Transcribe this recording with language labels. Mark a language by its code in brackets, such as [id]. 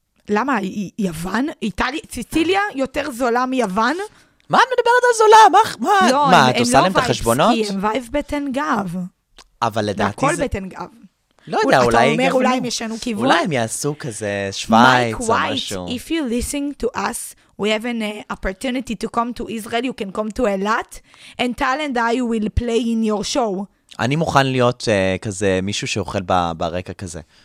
[he] למה? יוון? איטליה? ציציליה יותר זולה מיוון? מה את מדברת על זולה? מה? מה, את עושה להם את החשבונות? הם וייב בטן גב. אבל לדעתי זה... הכל בטן גב. לא יודע, אולי... אתה אומר, אולי הם ישנו כיוון? אולי הם יעשו כזה שווייץ או משהו. [en] Mike White, if you listen to us, we have an opportunity to come to Israel, you can come to Elat, and Tal and I will play in your show. [he] אני מוכן להיות כזה מישהו שאוכל ברקע כזה.